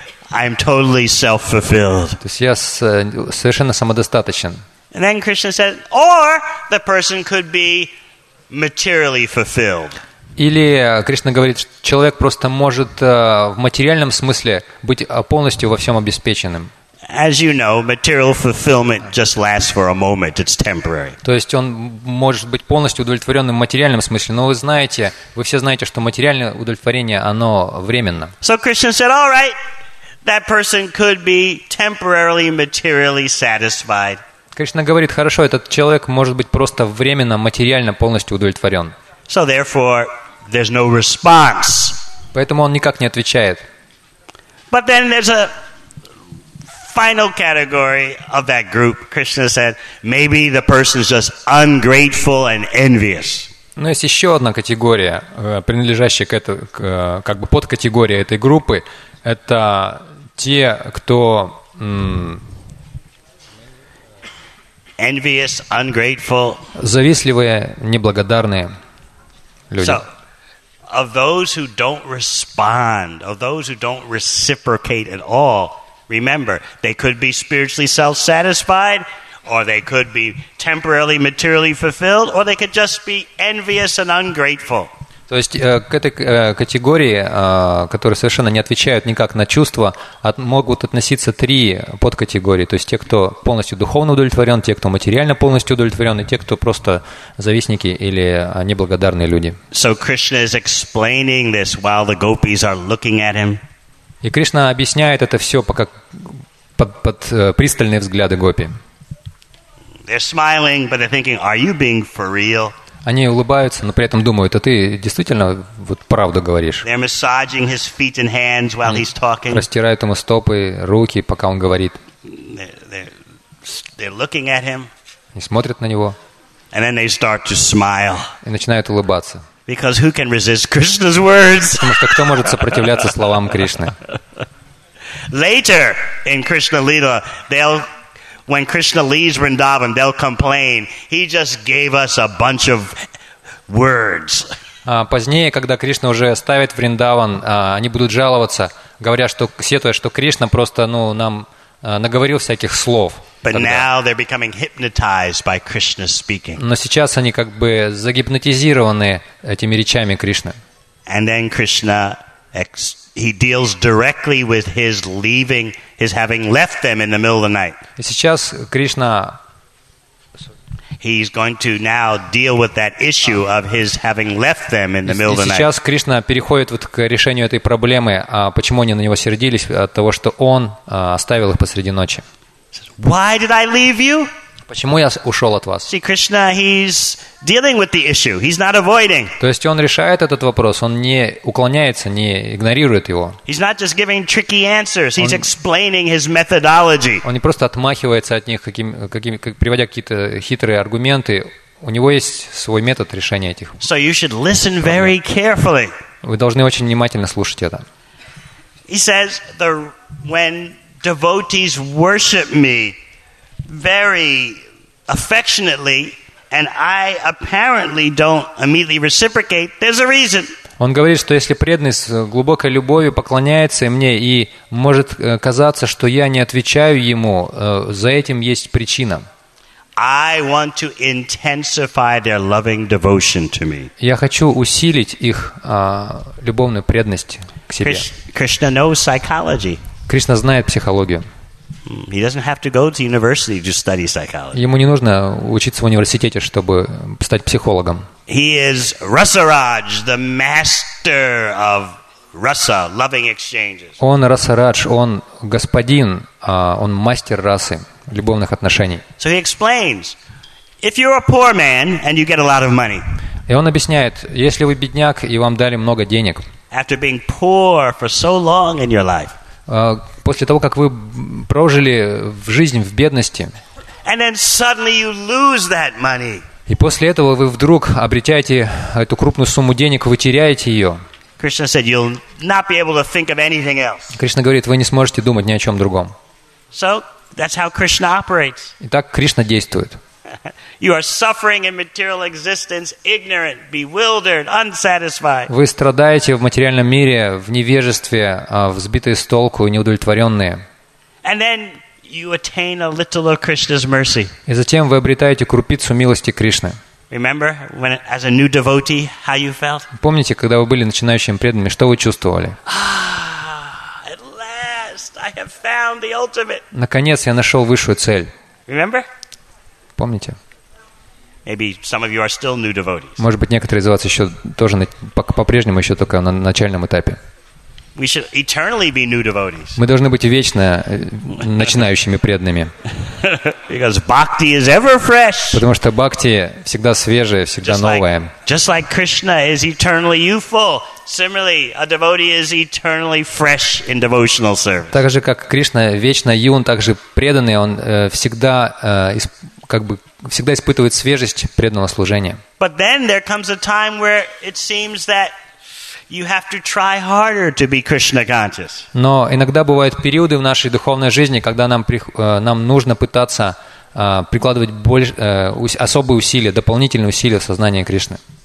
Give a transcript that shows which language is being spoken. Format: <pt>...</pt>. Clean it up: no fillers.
<en>I'm totally self-fulfilled.</en> <ru>То есть я совершенно самодостаточен.</ru> <en>And then Krishna says, or the person could be materially fulfilled.</en> <ru>Или Кришна говорит, что человек просто может в материальном смысле быть полностью во всем обеспеченным.</ru> <en>As you know, material fulfillment just lasts for a moment. It's temporary.</en> <ru>То есть он может быть полностью удовлетворенным в материальном смысле, но вы все знаете, что материальное удовлетворение оно временно.</ru> <en>So Krishna said, all right, that person could be temporarily materially satisfied.</en> <ru>Кришна говорит, хорошо, этот человек может быть просто временно материально полностью удовлетворен.</ru> <en>So therefore, there's no response.</en> <ru>Поэтому он никак не отвечает.</ru> <en>But then there's a final category of that group. Krishna said, maybe the person is just ungrateful and envious.</en> <ru>Но есть еще одна категория, принадлежащая к этой, как бы подкатегория этой группы, это те, кто</ru> <en>envious, ungrateful,</en> <ru>завистливые, неблагодарные люди.</ru> <en>So, of those who don't respond, of those who don't reciprocate at all, remember, they could be spiritually self-satisfied, or they could be temporarily, materially fulfilled, or they could just be envious and ungrateful.</en> <ru>То есть к этой категории, которые совершенно не отвечают никак на чувства, могут относиться три подкатегории. То есть те, кто полностью духовно удовлетворен, те, кто материально полностью удовлетворен, и те, кто просто завистники или неблагодарные люди.</ru> <en>So Krishna is explaining this while the gopis are looking at him.</en> <ru>И Кришна объясняет это все пока под пристальные взгляды гопи.</ru> <en>They're smiling, but they're thinking, are you being for real?</en> <ru>Они улыбаются, но при этом думают, а ты действительно вот правду говоришь?</ru> <en>They're massaging his feet and hands while he's talking.</en> <ru>Растирают ему стопы, руки, пока он говорит.</ru> <en>They're looking at him.</en> <ru>И смотрят на него.</ru> <en>And then they start to smile.</en> <ru>И начинают улыбаться.</ru> <en>Because who can resist Krishna's words?</en> <ru>Потому что кто может сопротивляться словам Кришны?</ru> <en>Later in Krishna Lila, when Krishna leaves Vrindavan, they'll complain. He just gave us a bunch of words.</en> <ru>Позднее, когда Кришна уже оставит Вриндаван, они будут жаловаться, говоря, что сетуя, что Кришна просто, ну, нам наговорил всяких слов.</ru> <en>But now they're becoming hypnotized by Krishna's speaking.</en> <ru>Но сейчас они как бы загипнотизированы этими речами Кришны.</ru> <en>And then Krishna, he deals directly with his leaving, his having left them in the middle of the night.</en> <ru>И сейчас Кришна,</ru> <en>he's going to now deal with that issue of his having left them in the middle of the night.</en> <ru>Сейчас Кришна переходит вот к решению этой проблемы, а почему они на него сердились от того, что он оставил их посреди ночи.</ru> <en>Why did I leave you?</en> <ru>Почему я ушел от вас?</ru> <en>See, Krishna, he's dealing with the issue. He's not avoiding.</en> <ru>То есть он решает этот вопрос, он не уклоняется, не игнорирует его.</ru> <en>He's not just giving tricky answers. He's explaining his methodology.</en> <ru>Он не просто отмахивается от них, приводя какие-то хитрые аргументы. У него есть свой метод решения этих.</ru> <en>So you should listen very carefully.</en> <ru>Вы должны очень внимательно слушать это.</ru> <en>He says when devotees worship me very affectionately, and I apparently don't immediately reciprocate, there's a reason.</en> <ru>Он говорит, что если преданный с глубокой любовью поклоняется мне, и может казаться, что я не отвечаю ему, за этим есть причина.</ru> <en>I want to intensify their loving devotion to me.</en> <ru>Я хочу усилить их любовную преданность к себе.</ru> <en>Krishna knows psychology.</en> <ru>Кришна знает психологию.</ru> <en>He doesn't have to go to university to study psychology.</en> <ru>Ему не нужно учиться в университете, чтобы стать психологом.</ru> <en>He is Rasaraj, the master of rasa, loving exchanges.</en> <ru>Он Расарадж, он господин, он мастер расы, любовных отношений.</ru> <en>So he explains, if you're a poor man and you get a lot of money.</en> <ru>И он объясняет, если вы бедняк и вам дали много денег.</ru> <en>After being poor for so long in your life.</en> <ru>После того, как вы прожили в жизнь в бедности,</ru> <en>And then suddenly you lose that money.</en> <ru>И после этого вы вдруг обретаете эту крупную сумму денег, вы теряете ее.</ru> <en>Krishna said, "You'll not be able to think of anything else."</en> <ru>Кришна говорит, вы не сможете думать ни о чем другом.</ru> <en>So that's how Krishna operates.</en> <ru>Итак, Кришна действует.</ru> <en>You are suffering in material existence, ignorant, bewildered, unsatisfied.</en> <ru>Вы страдаете в материальном мире в невежестве, взбитые с толку, неудовлетворенные.</ru> <en>And then you attain a little of Krishna's mercy.</en> <ru>И затем вы обретаете крупицу милости Кришны.</ru> <en>Remember, when as a new devotee, how you felt?</en> <ru>Помните, когда вы были начинающим преданным, что вы чувствовали?</ru> <en>Ah, at last, I have found the ultimate.</en> <ru>Наконец я нашел высшую цель.</ru> <en>Remember?</en> <ru>Помните?</ru> <en>Maybe some of you are still new devotees.</en> <ru>Может быть, некоторые из вас еще тоже по-прежнему еще только на начальном этапе.</ru> <en>We should eternally be new devotees.</en> <ru>Мы должны быть вечно начинающими преданными.</ru> <en>Because bhakti is ever fresh.</en> <ru>Потому что бхакти всегда свежая, всегда новая.</ru> <en>Just like Krishna is eternally youthful, similarly a devotee is eternally fresh in devotional service.</en> <ru>Так же как Кришна вечно юн, так же преданный он всегда всегда испытывает свежесть преданного служения.</ru> <en>But then there comes a time where it seems that you have to try harder to be Krishna conscious.</en> <ru>Но иногда бывают периоды в нашей духовной жизни, когда нам нужно пытаться прикладывать особые усилия, дополнительные усилия в сознании Кришны.</ru>